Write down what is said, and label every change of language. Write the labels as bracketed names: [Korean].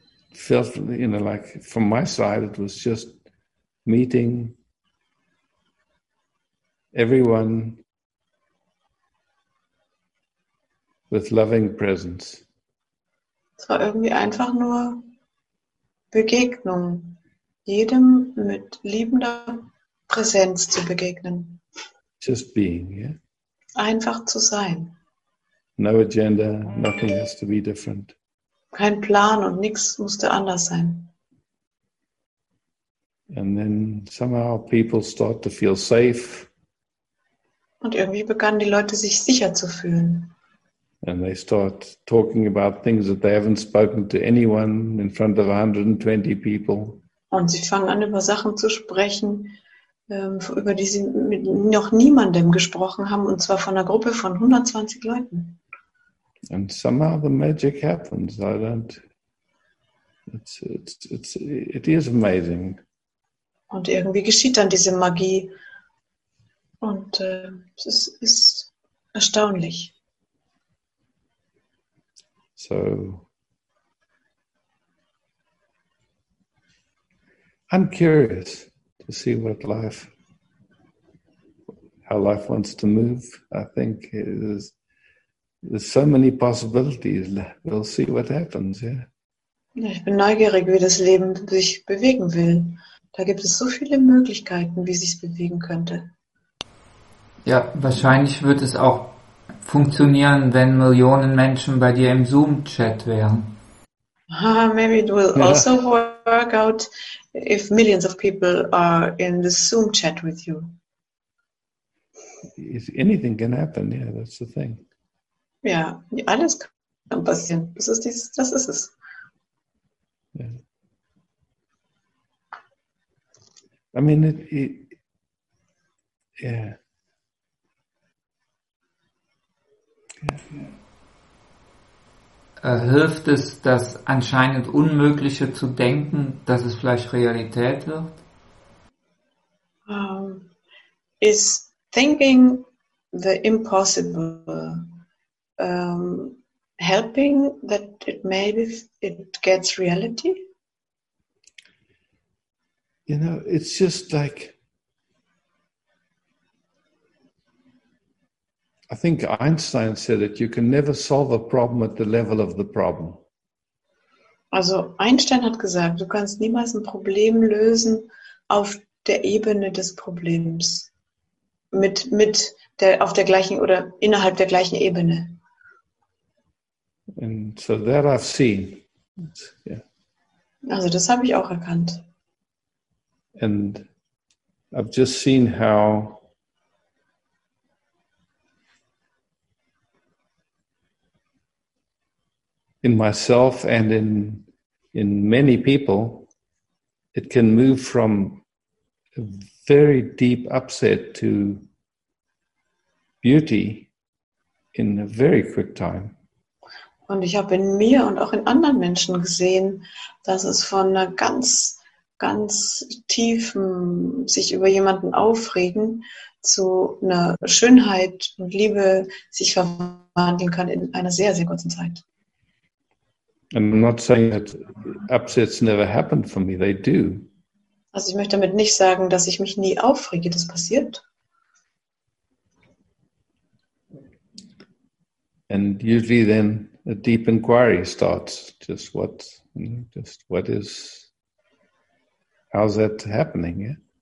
[English] It felt, you know, like from my side, it was just meeting everyone with loving presence. [German] Es war irgendwie einfach nur Begegnung, jedem mit liebender Präsenz zu begegnen. [English] Just being, yeah? [German] Einfach zu sein. [English] No agenda, nothing has to be different. [German] Kein Plan und nichts musste anders sein. [English] And then somehow people start to feel safe. [German] Und irgendwie begannen die Leute sich sicher zu fühlen. [English] And they start talking about things that they haven't spoken to anyone in front of 120 people. [German] Und sie fangen an, über Sachen zu sprechen, über die sie mit noch niemandem gesprochen haben, und zwar von einer Gruppe von 120 Leuten. [English] And somehow the magic happens. I don't. It is amazing. [German] Und irgendwie geschieht dann diese Magie. Und es ist erstaunlich. [English] So, I'm curious to see what life, how life wants to move. I think there's so many possibilities. We'll see what happens. Yeah. [German] Ich bin neugierig, wie das Leben sich bewegen will. Da gibt es so viele Möglichkeiten, wie sich es bewegen könnte. Ja, wahrscheinlich wird es auch funktionieren, wenn Millionen Menschen bei dir im Zoom-Chat wären. [English] Maybe it will also work out if millions of people are in the Zoom chat with you. If anything can happen, yeah, that's the thing. [German] Ja, yeah, alles kann passieren. Das ist es. [English] Yeah. I mean, it. [German] Hilft es, das anscheinend Unmögliche zu denken, dass es vielleicht Realität wird? [English] Is thinking the impossible helping that it maybe it gets reality? You know, it's just like I think Einstein said that you can never solve a problem at the level of the problem. [German] Also Einstein hat gesagt, du kannst niemals ein Problem lösen auf der Ebene des Problems innerhalb der gleichen Ebene. [English] And so that I've seen. Yeah. [German] Also das habe ich auch erkannt. [English] And I've just seen how in myself and in many people, it can move from a very deep upset to beauty in a very quick time. [German] Und ich habe in mir und auch in anderen Menschen gesehen, dass es von einer ganz, ganz tiefen sich über jemanden aufregen zu einer Schönheit und Liebe sich verwandeln kann in einer sehr, sehr kurzen Zeit. [English] And I'm not saying that upsets never happen for me. They do. [German] Also ich möchte damit nicht sagen, dass ich mich nie aufrege. Das passiert. [English] And usually then a deep inquiry starts. Just what is, how's that happening? Yeah?